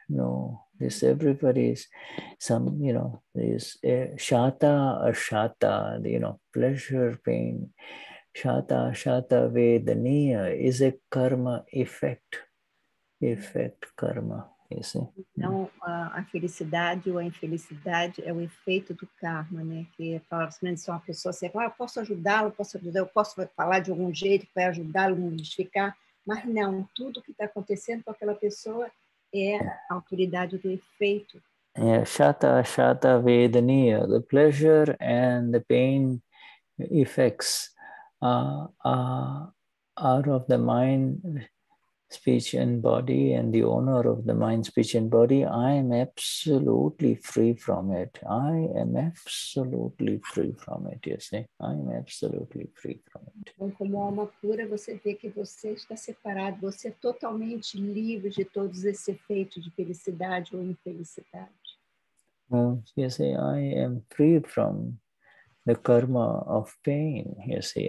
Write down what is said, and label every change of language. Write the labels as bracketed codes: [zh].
[en] No, this everybody is some, you know, this shata, ashata, you know, pleasure, pain, shata, ashata, vedaniya is a karma effect. Effect, karma, you see. [pt] Então, a felicidade ou a infelicidade é o efeito do karma, né? Que fala, se uma pessoa assim, ah, eu posso ajudá-lo, eu posso falar de algum jeito para ajudá-lo, modificar. Mas não, tudo que está acontecendo com aquela pessoa é a autoridade do efeito. [en] Yeah, shata, shata, vedaniya, the pleasure and the pain effects are of the mind, speech and body, and the owner of the mind, speech and body, I am absolutely free from it. I am absolutely free from it, you see. I am absolutely free from it. [pt] Então, como alma pura, você vê que você está separado, você é totalmente livre de todos esses efeitos de felicidade ou infelicidade. [en] Well, you see, I am free from the karma of pain, you see.